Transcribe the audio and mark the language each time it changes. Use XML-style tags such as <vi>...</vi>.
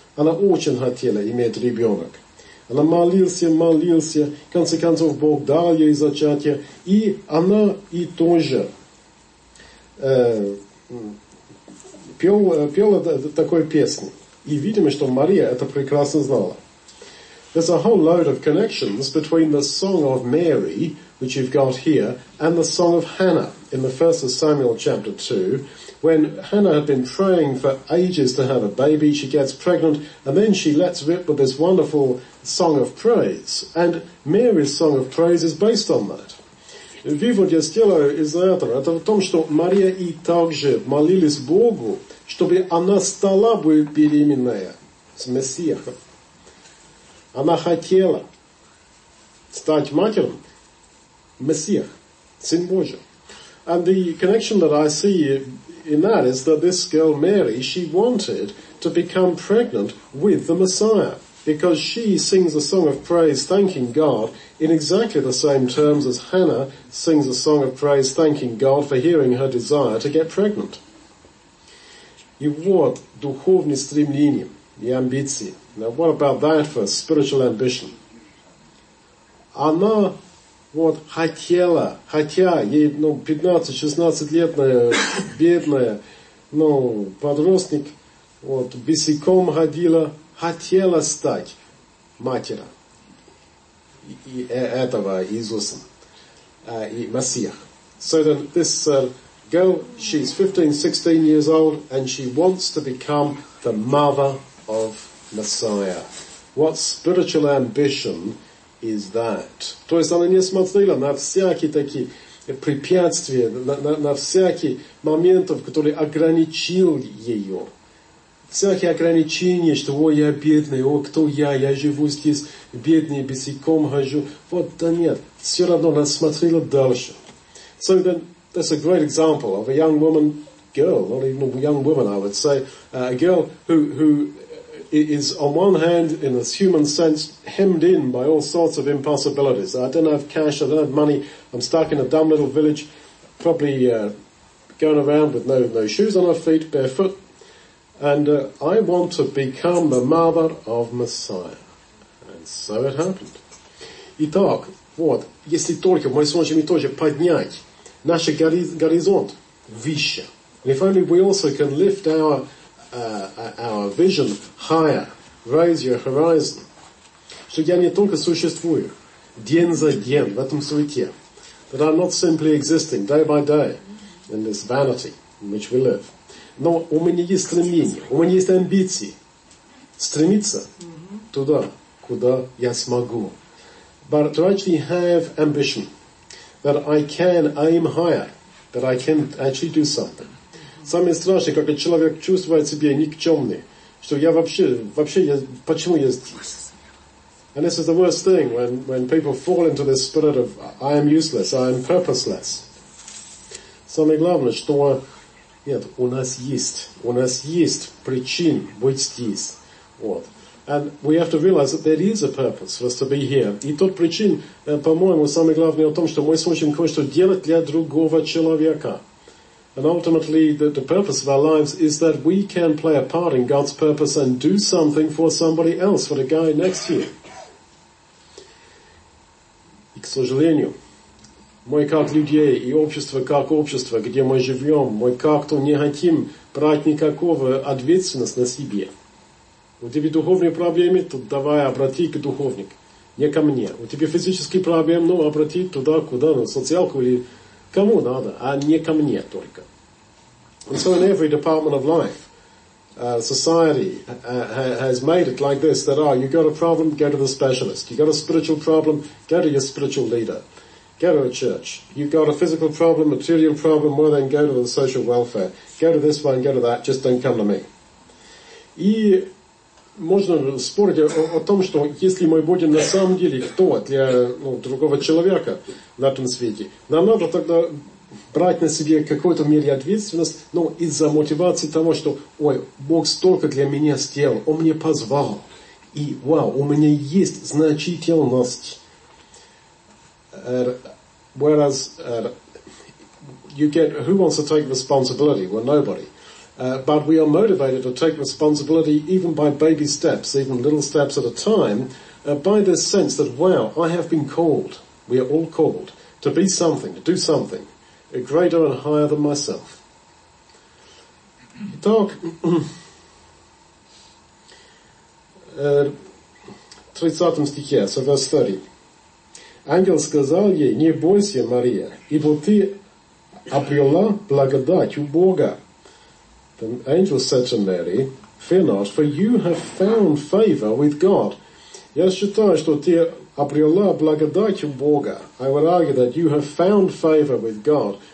<ru>Она очень хотела иметь ребенок. Она молился. В конце концов, Бог дал ей зачатие. И она и тоже пела такой песни. И видимо, что Мария это прекрасно знала.</ru> <en>There's a whole load of connections between the song of Mary, which you've got here, and the song of Hannah in the 1 Samuel chapter 2, when Hannah had been praying for ages to have a baby, she gets pregnant, and then she lets rip with this wonderful song of praise. And Mary's song of praise is based on that. Vivo Diestilo is there,</en> <ru>это в том, что Мария и также молились Богу, чтобы она стала бы беременная с Мессией. Она хотела стать матерью Мессии, Сын Божий.</ru> <en>And the connection that I see in that is that this girl Mary, she wanted to become pregnant with the Messiah. Because she sings a song of praise thanking God in exactly the same terms as Hannah sings a song of praise thanking God for hearing her desire to get pregnant.</en> <ru>И вот духовные стремления и амбиции.</ru> <en>Now what about that for spiritual ambition?</en> <ru>Она вот хотела, хотя ей 15-16 лет, бедная, подросток, вот босиком ходила, хотела стать матерью. этого Иисуса, и Мессия.</ru> <en>So that this girl, she's 15, 16 years old, and she wants to become the mother of Messiah. What spiritual ambition is that?</en> <ru>То есть она не смотрела на всякие такие препятствия, на всякие моменты, которые ограничили ее. Всякие ограничения, что «О, я бедный, о, кто я живу здесь, бедный, босиком хожу». Вот, да нет, все равно она смотрела дальше.</ru> <en>So then, that's a great example of a young woman, girl, not even a young woman, I would say, a girl who is on one hand, in this human sense, hemmed in by all sorts of impossibilities. I don't have cash, I don't have money, I'm stuck in a dumb little village, probably going around with no shoes on her feet, barefoot. And I want to become the mother of Messiah. And so it happened.</en> <ru>Итак, вот, если только мы сможем тоже поднять наш горизонт выше.</ru> <en>If only we also can lift our vision higher, raise your horizon.</en> <ru>Что я не только существую день за день в этом суете,</ru> <en>that I'm not simply existing day by day in this vanity in which we live.</en> <ru>Но у меня есть стремление, у меня есть амбиции стремиться туда, куда я смогу.</ru> <en>But to actually have ambition, that I can aim higher, that I can actually do something.</en> <ru>Самое страшное, когда человек чувствует себя никчемным, что я вообще я, почему я здесь?</ru> <en>And this is the worst thing, when people fall into this spirit of I am useless, I am purposeless.</en> <ru>Самое главное, что нет, у нас есть причин быть здесь. Вот.</ru> <en>And we have to realize that there is a purpose for us to be here.</en> <ru>И тот причин, по-моему, самый главный о том, что мы сможем кое-что делать для другого человека.</ru> <en>And ultimately, the purpose of our lives is that we can play a part in God's purpose and do something for somebody else, for the guy next to you.</en> <ru>И, к сожалению, мы как людей и общество как общество, где мы живем, мы как-то не хотим брать никакого ответственности на себе. У тебя духовные проблемы, то давай обрати к духовник, не ко мне. У тебя физические проблемы, ну обрати туда, куда, на социалку или кому надо, а не ко мне только.</ru> <en>And so in every department of life, society has made it like this, that, you got a problem, go to the specialist. You got a spiritual problem, go to your spiritual leader. Go to a church. You've got a physical problem, material problem, well then go to the social welfare. Go to this one, go to that, just don't come to me.</en> <ru>И можно спорить о том, что если мы будем на самом деле кто для другого человека на этом свете, нам надо тогда брать на себе какую-то мере ответственность, но из-за мотивации того, что ой, Бог столько для меня сделал, Он мне позвал, и вау, у меня есть значительность.</ru> <en>Whereas you get, who wants to take responsibility? Well, nobody. But we are motivated to take responsibility even by baby steps, even little steps at a time, by this sense that, wow, I have been called, we are all called, to be something, to do something, greater and higher than myself.</en> <ru>Итак, 30 стихе,</ru> <en>so verse 30.</en> <ru>Ангел сказал ей, не бойся, Мария, ибо ты обрела благодать у Бога.</ru> <en>The angel said to Mary, fear not, for you have found favor with God.</en> <ru>Я считаю, что ты обрела благодать у Бога.</ru> <en>I would argue that you have found favor with God.</en>